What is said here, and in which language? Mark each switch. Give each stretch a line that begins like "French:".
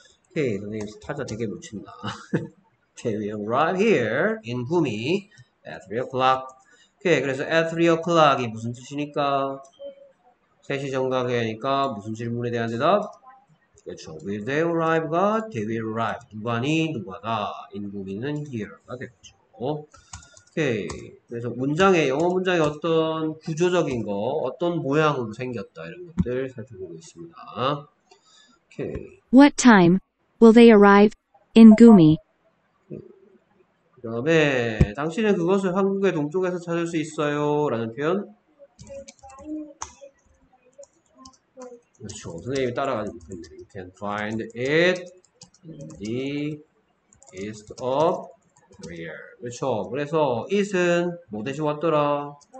Korean: 오케이, 선생님 타자 되게 놓친다.
English: They will arrive here in Gumi at 3 o'clock.
Korean: 오케이, 그래서
English: at 3 o'clock
Korean: 이 무슨 뜻이니까? 3시 정각이니까 무슨 질문에 대한 대답? 그렇죠.
English: Will they arrive
Korean: 가
English: they will arrive.
Korean: 누가니 누가다. 인구민은 here가 되겠죠. 오케이. 그래서 문장의 영어 문장의 어떤 구조적인 거, 어떤 모양으로 생겼다 이런 것들 살펴보고 있습니다. 오케이.
English: What time will they arrive in Gumi?
Korean: 그다음에 당신은 그것을 한국의 동쪽에서 찾을 수 있어요라는 표현. 그렇죠. 선생님이 따라가는 표현.
English: You can find it in the east of Korea.
Korean: 그렇죠. 그래서 it은 뭐 대신 왔더라.